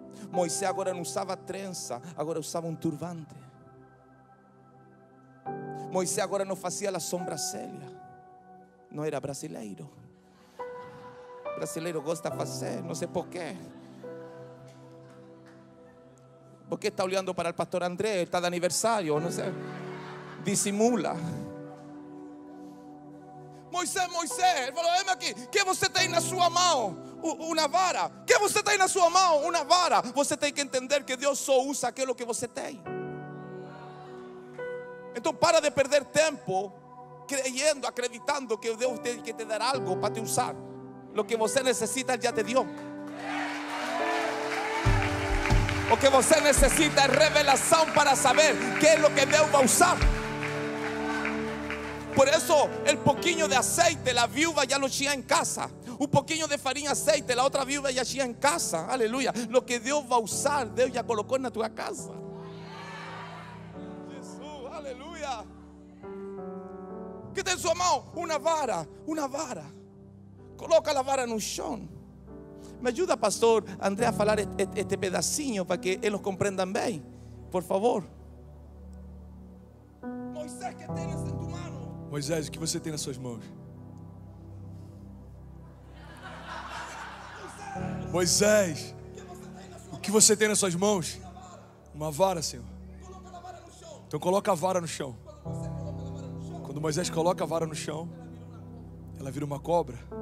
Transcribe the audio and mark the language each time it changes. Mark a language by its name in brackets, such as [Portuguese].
[Portuguese] Moisés agora não usava trença, agora usava um turbante. Moisés agora não fazia a sobrancelha, não era brasileiro. Brasileiro gosta de fazer, não sei porquê. [Spanish] ¿Por qué está olhando para el pastor Andrés? Está de aniversario, no sé. Disimula. Moisés, Moisés, él falou: "Heme aquí. [Portuguese] ¿Qué você tem na sua mão? [Spanish] Una vara. [Portuguese] ¿Qué você tem na sua mão? Una vara. Você tem que entender que Deus só usa aquilo que você tem. Entonces para de perder tempo creyendo, acreditando que Deus tem que te dar algo para te usar. [Spanish] Lo que você necesita, ele já te dio. [Portuguese] O que você necessita é revelação para saber que é o que Deus vai usar. Por isso, o pouquinho de aceite, a viúva já não tinha em casa. O pouquinho de farinha, aceite, a outra viúva já tinha em casa. Aleluia. O que Deus vai usar, Deus já colocou na tua casa. Jesus, aleluia. Que tem em sua mão? Uma vara, uma vara. Coloca a vara no chão. [Spanish] Me ayuda, pastor Andrea, a falar este pedacinho para que ellos comprendan bien, por favor. Moisés, ¿qué tienes en tu mano? [Portuguese] Moisés, ¿qué você tem nas suas mãos? Moisés, ¿o que você tem nas suas mãos? Uma vara, Senhor. Então coloca a vara no chão. Quando Moisés coloca a vara no chão, ela vira uma cobra.